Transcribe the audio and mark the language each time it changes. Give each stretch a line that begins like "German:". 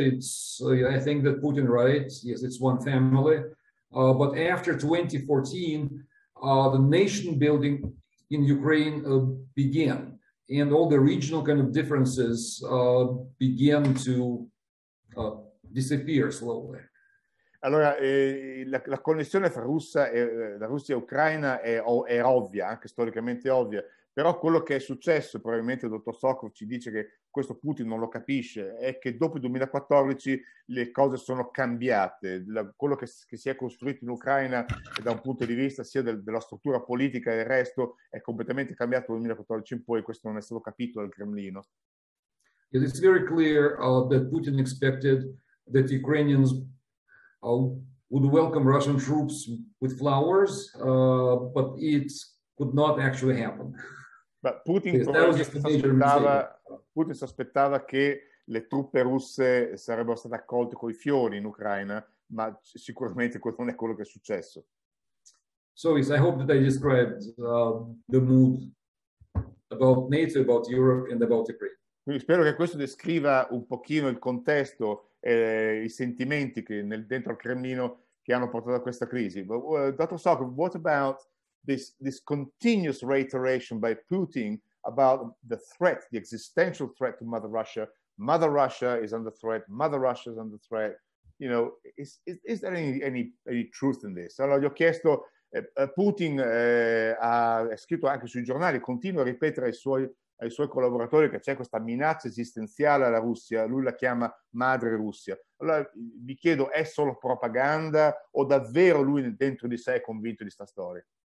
English: I think that Putin writes, yes, it's one family. But after 2014, the nation building in Ukraine began. And all the regional kind of differences begin to disappear slowly.
Italian: Allora, la connessione fra Russia e Ucraina è ovvia, anche storicamente ovvia, però quello che è successo, probabilmente il dottor Sokov ci dice che questo Putin non lo capisce, è che dopo il 2014 le cose sono cambiate. Quello che si è costruito in Ucraina da un punto di vista sia della struttura politica e del resto è completamente cambiato dal 2014 in poi, questo non è stato capito dal Cremlino.
English: It is very clear that Putin expected that Ukrainians would welcome Russian troops with flowers, but it could not actually happen.
Italian: But Putin si aspettava che le truppe russe sarebbero state accolte coi fiori in Ucraina, ma sicuramente questo non è quello che è successo.
English: So, yes, I hope that I described the mood about NATO, about Europe and about Ukraine.
Italian: Quindi spero che questo descriva un pochino il contesto, i sentimenti che dentro al Cremlino che hanno portato a questa crisi.
English: But, Dr. Sokov, what about this continuous reiteration by Putin about the threat, the existential threat to Mother Russia. Mother Russia is under threat. Mother Russia is under threat. You know, is there any truth in this?
Italian: Allora, gli ho chiesto, Putin ha scritto anche sui giornali, continua a ripetere ai suoi collaboratori che c'è questa minaccia esistenziale alla Russia, lui la chiama Madre Russia. Allora, vi chiedo, è solo propaganda o davvero lui dentro di sé è convinto di sta storia?